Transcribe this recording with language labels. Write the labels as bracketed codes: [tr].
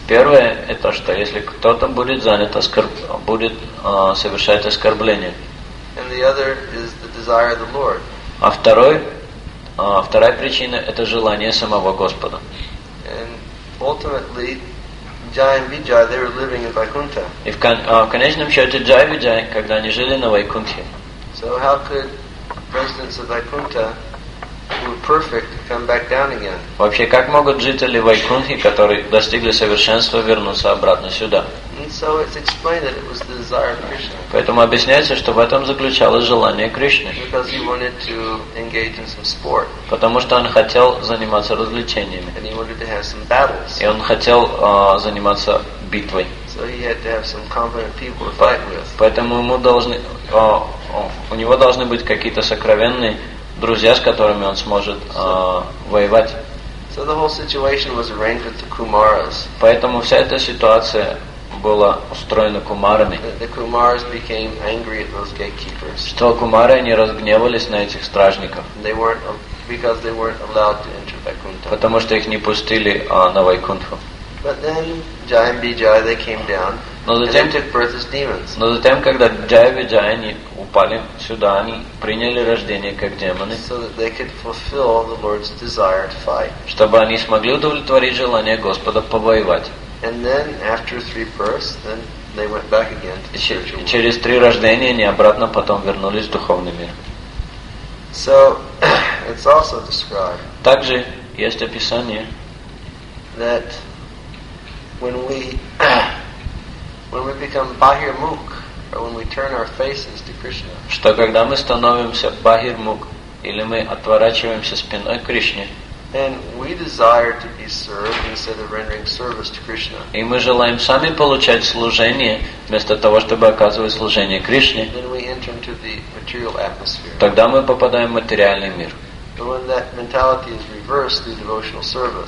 [ru] Первое это что если кто-то будет занят совершать оскорбление. [en] And the other is the desire of the Lord. [ru] А вторая причина это желание самого Господа. [en] And ultimately, Jai and Vijay, they were living in Vaikuntha. [ru] В конечном счете, Jai and Vijay, когда они жили на Вайкунте. [en] So how could residents of Vaikuntha, who were perfect, come back down again? [ru] Вообще, как могут жители Вайкунты, которые достигли совершенства, вернуться обратно сюда? [en] And so it's explained that it was the desire of Krishna. [ru] Поэтому объясняется, что в этом заключалось желание Кришны. [en] Because he wanted to engage in some sport. [ru] Потому что он хотел заниматься развлечениями. [en] And he wanted to have some battles. [ru] И он хотел заниматься битвой. [en] So he had to have some competent people to fight with. [ru] Поэтому у него должны быть какие-то сокровенные друзья, с которыми он сможет воевать. [en] So the whole situation was arranged with the Kumaras. [ru] Поэтому вся эта ситуация была устроена кумарами. [en] The Kumaras became angry at those gatekeepers. [ru] Что кумары они разгневались на этих стражников. [en] They weren't because they weren't allowed to enter Vaikuntha. [ru] Потому что их не пустили на Вайкунтху. [en] But then Jaya Bijaya they came down. [ru] Но затем, [en] and entered birth as demons. [ru] Но затем, когда Джая Виджая они упали сюда, они приняли рождение как демоны, [en] so that they could fulfill the Lord's desire to fight. [ru] Чтобы они смогли удовлетворить желание Господа повоевать. [en] And then after three births, then they went back again to the spiritual world. [ru] Через три рождения они обратно потом вернулись в духовный мир. [en] So it's also described. [ru] Также есть описание, [en] that when we when we become Bahir Mukh, or when we turn our faces to Krishna, [ru] что когда мы становимся Bahir Mukh, или мы отворачиваемся спиной к Кришне, [en] and we desire to be served instead of rendering service to Krishna, [ru] и мы желаем сами получать служение вместо того, чтобы оказывать служение Кришне, [en] then we enter into the material atmosphere. [ru] Тогда мы попадаем в материальный мир. [en] But when that mentality is reversed through devotional service,